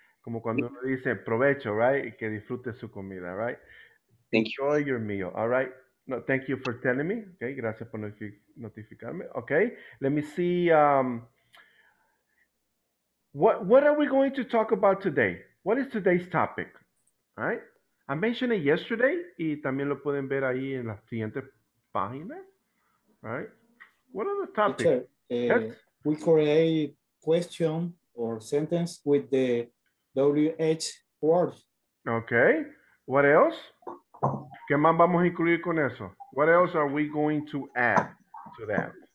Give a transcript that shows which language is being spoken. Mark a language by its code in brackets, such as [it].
[es] Como cuando uno dice provecho, right? Que disfrute su comida, right? [en] Thank enjoy Enjoy your meal, all right? No, thank you for telling me. Okay, [es] gracias por notificarme. [en] Okay, let me see. What are we going to talk about today? What is today's topic? All right? I mentioned it yesterday [es] y también lo pueden ver ahí en la siguiente página. [en] All right. What are the topics? Yes? We create question or sentence with the WH words. Okay. What else? [es] ¿Qué más vamos a incluir con eso? [en] What else are we going to add to that?